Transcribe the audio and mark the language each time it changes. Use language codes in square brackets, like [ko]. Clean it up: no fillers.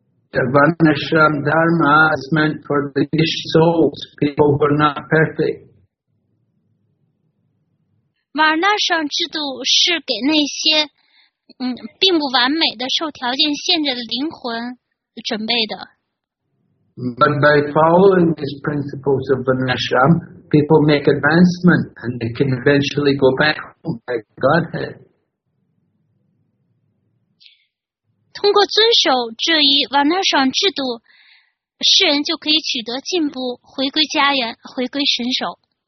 [en] The Varnashram Dharma is meant for the souls, people who are not perfect. [zh] 瓦纳上制度是给那些并不完美的受条件限制的灵魂准备的。 [en] But by following these principles of Varnashram, people make advancement and they can eventually go back home by Godhead. [zh] 通过遵守这一瓦纳上制度，世人就可以取得进步，回归家园，回归神手。